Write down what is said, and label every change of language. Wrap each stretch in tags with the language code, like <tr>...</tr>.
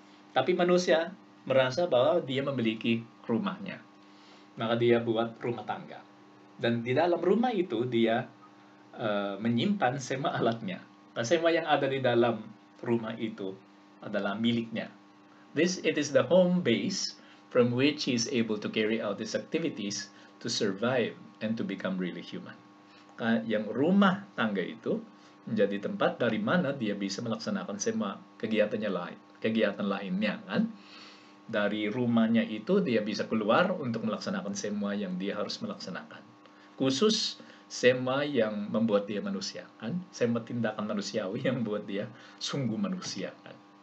<id>Tapi manusia merasa bahwa dia memiliki rumahnya. Maka dia buat rumah tangga. Dan di dalam rumah itu, dia menyimpan semua alatnya. Semua yang ada di dalam rumah itu adalah miliknya.</id> <en>This it is the home base from which he is able to carry out his activities to survive and to become really human.</en> <id>Yang rumah tangga itu menjadi tempat dari mana dia bisa melaksanakan semua kegiatannya lain, kegiatan lainnya kan. Dari rumahnya itu dia bisa keluar untuk melaksanakan semua yang dia harus melaksanakan. Khusus semua yang membuat dia manusia kan, semua tindakan manusiawi yang membuat dia sungguh manusia kan.</id>